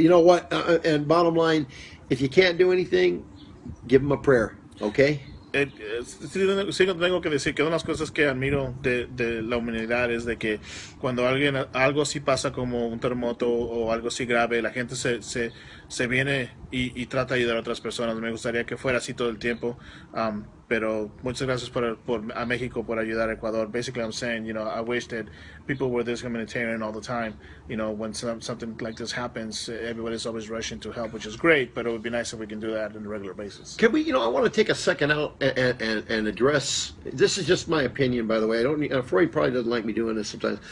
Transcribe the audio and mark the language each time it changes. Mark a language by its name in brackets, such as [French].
[English] You know what? And bottom line, if you can't do anything, give them a prayer, okay? [Spanish] sí tengo que decir que una de las cosas que admiro de la humanidad es de que cuando alguien algo así pasa como un terremoto o algo así grave, la gente se viene y trata de ayudar a otras personas. Me gustaría que fuera así todo el tiempo. Pero muchas gracias a México por ayudar a Ecuador. [English] Basically, I'm saying, you know, I wish that people were this humanitarian all the time. You know, when something like this happens, everybody's always rushing to help, which is great, but it would be nice if we can do that on a regular basis. Can we, you know, I want to take a second out and address, this is just my opinion, by the way. I don't, Froy probably doesn't like me doing this sometimes.